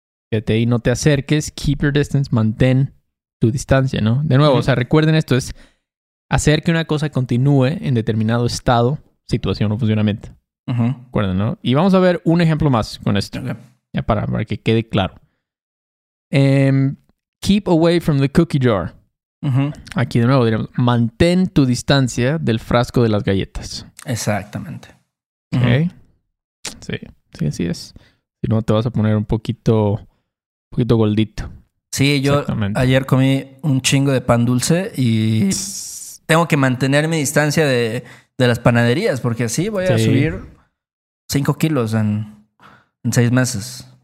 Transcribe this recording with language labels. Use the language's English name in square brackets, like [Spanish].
[Spanish] Quédate ahí. No te acerques. [English] Keep your distance. [Spanish] Mantén tu distancia, ¿no? De nuevo, uh-huh. o sea, recuerden esto. Es hacer que una cosa continúe en determinado estado, situación o funcionamiento. Uh-huh. Acuérdense, ¿no? Y vamos a ver un ejemplo más con esto. Okay. Ya para que quede claro. [English] Keep away from the cookie jar. Uh-huh. [Spanish] Aquí de nuevo diremos, mantén tu distancia del frasco de las galletas. Exactamente. Ok. Uh-huh. Sí, sí, así es. Si no, te vas a poner un poquito gordito. Sí, yo ayer comí un chingo de pan dulce y tengo que mantener mi distancia de las panaderías porque así voy a subir 5 kilos en 6 meses.